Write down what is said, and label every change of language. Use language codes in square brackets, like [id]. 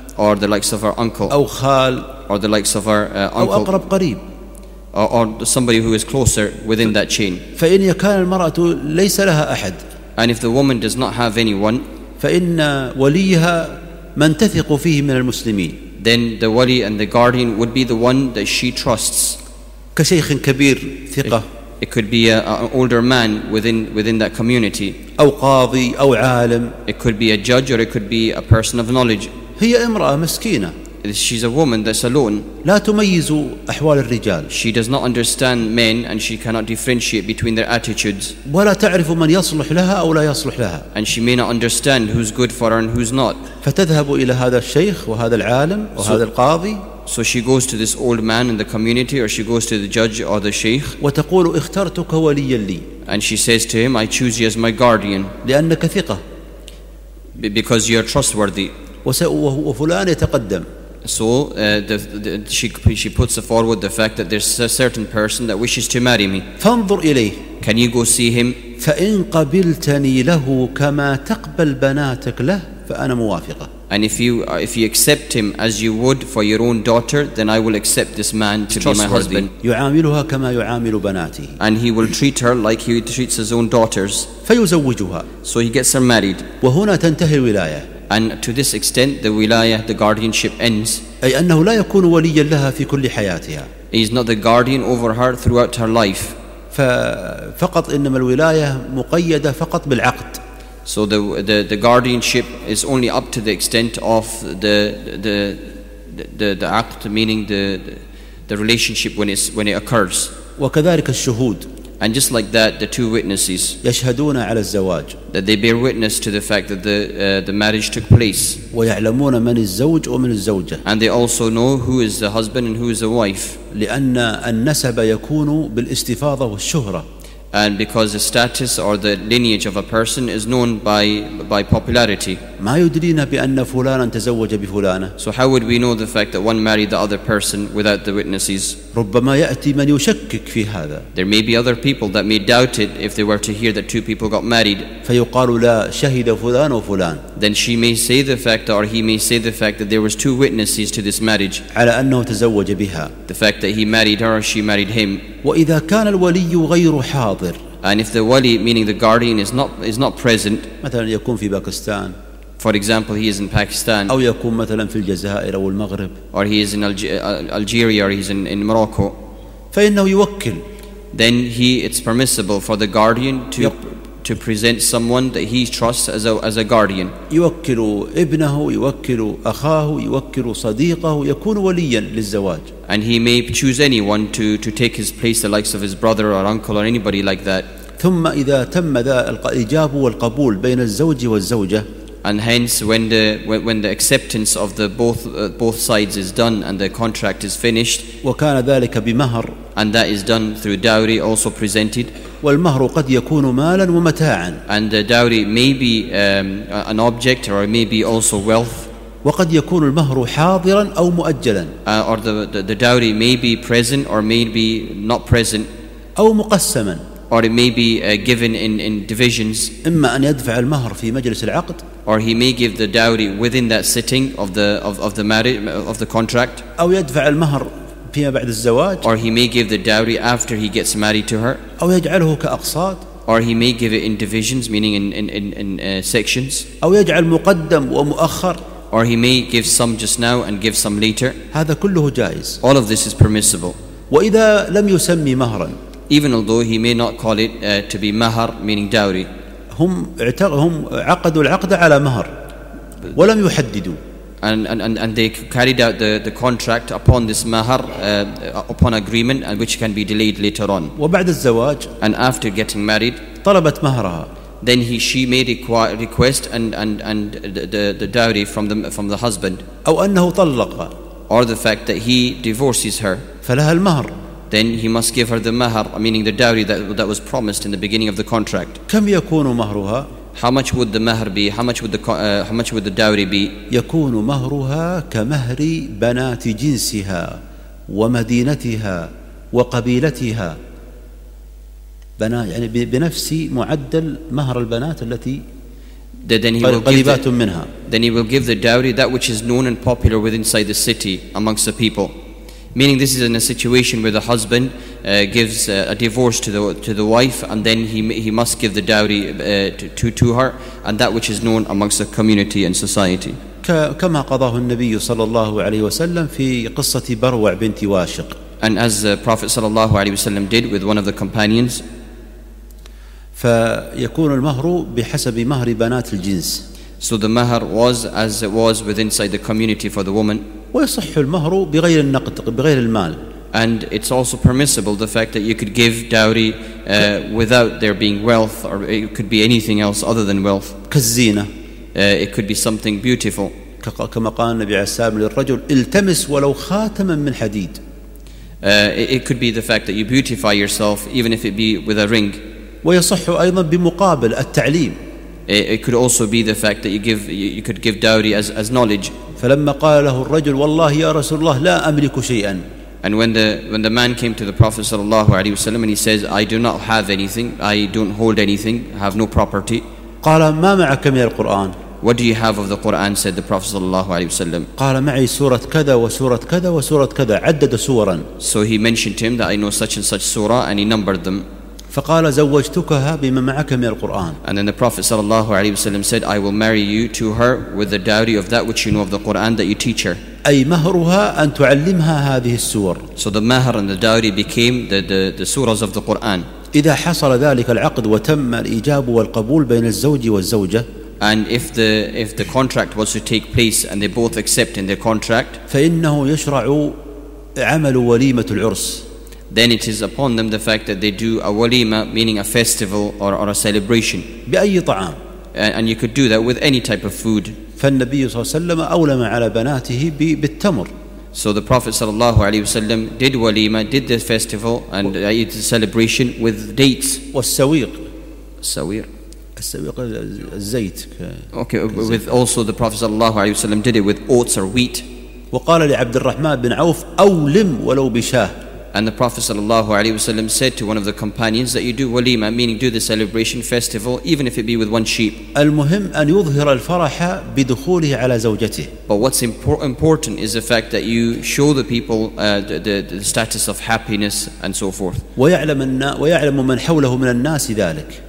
[en] Or the likes of her uncle. [ar] أو خال. [en] Or the likes of her uncle. [ar] أو أقرب قريب. [en] Or somebody who is closer within that chain. [ar] فإن كان المرأة ليس لها أحد. [en] And if the woman does not have anyone. [ar] فإن وليها من تثق فيه من المسلمين. [en] Then the wali and the guardian would be the one that she trusts. [ar] كشيخ كبير ثقة. [en] It could be an older man within that community. [ar] أو قاضي أو عالم. [en] It could be a judge or it could be a person of knowledge. [ar] هي امرأة مسكينة. [en] She's a woman that's alone. [ar] لا تميز أحوال الرجال. [en] She does not understand men and she cannot differentiate between their attitudes. [ar] ولا تعرف من يصلح لها أو لا يصلح لها. [en] And she may not understand who's good for her and who's not. [ar] فتذهب إلى هذا الشيخ وهذا العالم وهذا القاضي. [en] So she goes to this old man in the community or she goes to the judge or the sheikh. [ar] وتقول اخترتك وليا لي. [en] And she says to him, I choose you as my guardian. [ar] لأنك ثقة. [en] Because you're trustworthy. [ar] وفلان يتقدم. [en] So she puts forward the fact that there's a certain person that wishes to marry me. [ar] فانظر إليه. [en] Can you go see him? [ar] فإن قبلتني له كما تقبل بناتك له فأنا موافقة. [en] And if you accept him as you would for your own daughter, then I will accept this man to be my husband. [ar] يعاملها كما يعامل بناته. [en] And he will treat her like he treats his own daughters. [ar] فيزوجها. [en] So he gets her married. [ar] وهنا تنتهي الولاية. [en] And to this extent, the wilaya, the guardianship ends. [ar] أي أنه لا يكون وليا لها في كل حياتها. [en] He is not the guardian over her throughout her life. [ar] فقط إنما الولاية مقيدة فقط بالعقد. [en] So the guardianship is only up to the extent of the act, meaning the relationship when it occurs. [ar] وكذلك الشهود. [en] And just like that, the two witnesses. [ar] يشهدون على الزواج. [en] That they bear witness to the fact that the marriage took place. [ar] ويعلمون من الزوج ومن الزوجة. [en] And they also know who is the husband and who is the wife. [ar] لأن النسب يكون بالاستفاضة والشهرة. [en] And because the status or the lineage of a person is known by popularity. [ar] ما يدرينا بأن فلانا تزوج بفلانة. [en] So how would we know the fact that one married the other person without the witnesses? [ar] ربما يأتي من يشكك في هذا. [en] There may be other people that may doubt it if they were to hear that two people got married. [ar] فيقال لا شهد فلان وفلان. [en] Then she may say the fact or he may say the fact that there was two witnesses to this marriage. [ar] على أنه تزوج بها. [en] The fact that he married her or she married him. [ar] وإذا كان الولي غير حاضر. [en] And if the wali, meaning the guardian, is not present. [ar] مثلا يكون في باكستان. [en] For example, he is in Pakistan. [ar] أو يكون مثلا في الجزائر أو المغرب. [en] Or he is in Algeria or he's in Morocco. [ar] فإنه يوكل. [en] Then it's permissible for the guardian to present someone that he trusts as a guardian. [ar] يوكل ابنه, يوكل أخاه, يوكل صديقه, يكون وليا للزواج. [en] And he may choose anyone to take his place, the likes of his brother or uncle or anybody like that. [ar] ثم إذا تم ذا الإجابة والقبول بين الزوج والزوجة. [en] And hence, when the acceptance of the both sides is done and the contract is finished, [ar] وكان ذلك بمهر, [en] and that is done through dowry, also presented. [ar] والمهر قد يكون مالا ومتاعا. [en] And the dowry may be an object or maybe also wealth. [ar] وقد يكون المهر حاضرا أو مؤجلا. [en] Or the dowry may be present or may be not present. [ar] أو مقسما. [en] Or it may be given in divisions. [ar] إما أن يدفع المهر في مجلس العقد. [en] Or he may give the dowry within that sitting of the contract. [ar] أو يدفع المهر فيما بعد الزواج. [en] Or he may give the dowry after he gets married to her. [ar] أو يجعله كأقساط. [en] Or he may give it in divisions, meaning in sections. [ar] أو يجعل مقدم ومؤخر. [en] Or he may give some just now and give some later. [ar] هذا كله جائز. [en] All of this is permissible. [ar] وإذا لم يسمي مهرا. [en] Even although he may not call it to be mahar, meaning dowry. [ar] هم عقدوا العقد على مهر ولم يحددوا. [en] And they carried out the contract upon this mahar, upon agreement, and which can be delayed later on. [ar] وبعد الزواج. [en] And after getting married. [ar] طلبت مهرها. [en] Then she made a request and the dowry from the husband. [ar] أو أنه طلق. [en] Or the fact that he divorces her. [ar] فلها المهر. [en] Then he must give her the mahar, meaning the dowry that was promised in the beginning of the contract. [ar] كم يكون مهرها؟ [en] How much would the mahar be? How much would the dowry be? [ar] يكون مهرها كمهر بنات جنسها ومدينتها وقبيلتها. بنا يعني بنفس معدل مهر البنات التي قريبات منها. [en] Then he will give the dowry that which is known and popular within inside the city amongst the people. Meaning this is in a situation where the husband gives a divorce to the wife, and then he must give the dowry to her, and that which is known amongst the community and society. [ar] كما قضاه النبي صلى الله عليه وسلم في قصة بروع بنت واشق. [en] And as the Prophet [ar] صلى الله عليه وسلم [en] did with one of the companions. [ar] فيكون المهر بحسب مهر بنات الجنس. [en] So the mahar was as it was within inside the community for the woman. [ar] ويصح المهر بغير النقد بغير المال. [en] And it's also permissible the fact that you could give dowry without there being wealth, or it could be anything else other than wealth. [ar] كالزينة. [en] It could be something beautiful. [ar] كما قال النبي عسام للرجل التمس ولو خاتما من حديد. [en] It could be the fact that you beautify yourself even if it be with a ring. [ar] ويصح أيضا بمقابل التعليم. [en] It could also be the fact that you could give dowry as knowledge. [ar] فلما قال له الرجل والله يا رسول الله لا أملك شيئا. [en] And when the man came to the Prophet [ar] صلى الله عليه وسلم [en] and he says I do not have anything, I don't hold anything, have no property. [ar] قال ما معك من القرآن. [en] What do you have of the Quran? Said the Prophet sallallahu alaihi wasallam. [ar] قال معي سورة كذا وسورة كذا وسورة كذا. عدد سورا. [en] So he mentioned to him that I know such and such surah, and he numbered them. [ar] فقال زوجتكها بما معك من القرآن. [en] And then the Prophet sallallahu alaihi wasallam said, I will marry you to her with the dowry of that which you know of the Quran that you teach her. [ar] أي مهرها أن تعلمها هذه السور. [en] So the mahr and the dowry became the surahs of the Quran. [ar] إذا حصل ذلك العقد وتم الإجاب والقبول بين الزوج والزوجة. [en] And if the contract was to take place and they both accept in their contract, [ar] فإنه يشرع عمل وليمة العرس. [en] Then it is upon them the fact that they do a walima, meaning a festival or a celebration. [ar] بأي طعام. [en] And you could do that with any type of food. [ar] فالنبي صلى الله عليه وسلم أولم على بناته بالتمر. [en] So the Prophet sallallahu alaihi wasallam did walima, did the festival and the celebration with dates. [ar] والسويق. سوير. السويق الزيت. [en] Okay. With also the Prophet sallallahu alaihi wasallam did it with oats or wheat. [ar] وقال لعبد الرحمن بن عوف أولم ولو بشاه. [en] And the Prophet sallallahu alaihi wasallam said to one of the companions that you do walima, meaning do the celebration festival, even if it be with one sheep. [ar] المهم أن يظهر الفرح بدخوله على زوجته. [en] But what's important is the fact that you show the people the status of happiness and so forth. [ar] ويعلم من حوله من الناس ذلك.